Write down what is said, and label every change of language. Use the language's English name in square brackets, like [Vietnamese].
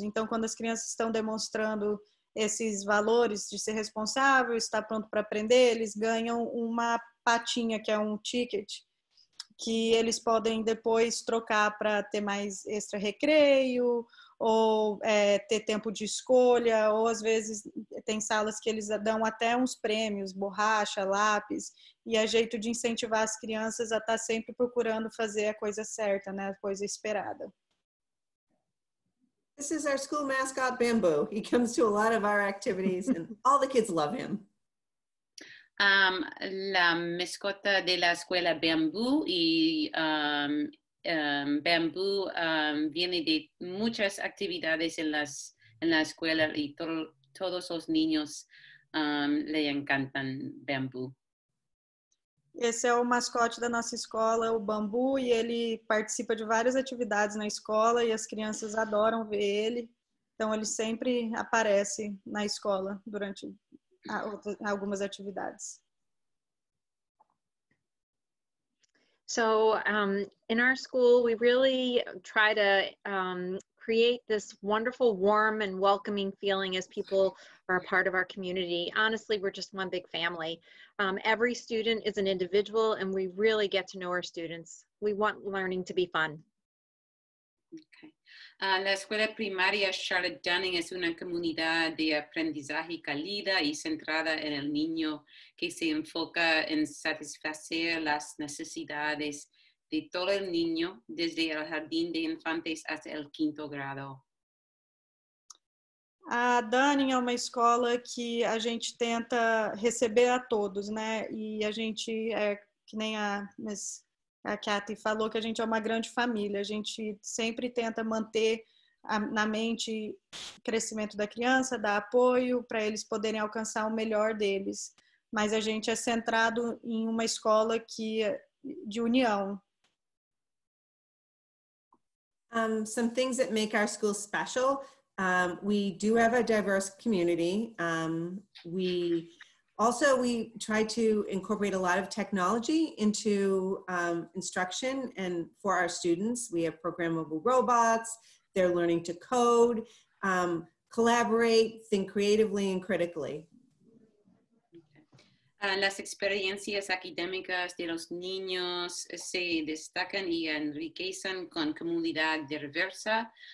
[Portuguese] Então, quando as crianças estão demonstrando esses valores de ser responsável, estar pronto para aprender, eles ganham uma patinha, que é um ticket, que eles podem depois trocar para ter mais extra recreio ou ter tempo de escolha, ou às vezes tem salas que eles dão até uns prêmios, borracha, lápis, e é jeito de incentivar as crianças a estar sempre procurando fazer a coisa certa, né, a coisa esperada. [English] This is our school mascot, Bamboo. He comes to a lot of our activities and all the kids love him. [Spanish] La mascota de la escuela Bamboo y Bamboo viene de muchas actividades en la escuela y todos los niños le encantan Bamboo. [Portuguese] Esse é o mascote da nossa escola, o Bamboo, e ele participa de várias atividades na escola e as crianças adoram ver ele. Então ele sempre aparece na escola durante algumas atividades. [English] So, in our school, we really try to create this wonderful, warm, and welcoming feeling as people are a part of our community. Honestly, we're just one big family. Every student is an individual, and we really get to know our students. We want learning to be fun. Okay. [Spanish] La escuela primaria Charlotte Dunning es una comunidad de aprendizaje cálida y centrada en el niño que se enfoca en satisfacer las necesidades de todo el niño desde el jardín de infantes hasta el quinto grado. [Portuguese] A Dunning é uma escola que a gente tenta receber a todos, né? E a gente é que nem a Kathy falou que a gente é uma grande família. A gente sempre tenta manter na mente o crescimento da criança, dar apoio para eles poderem alcançar o melhor deles. Mas a gente é centrado em uma escola que de união. [English] Some things that make our school special. We do have a diverse community. We try to incorporate a lot of technology into instruction and for our students. We have programmable robots, they're learning to code, collaborate, think creatively and critically. [Spanish] Las experiencias académicas de los niños se destacan y enriquecen con comunidad diversa.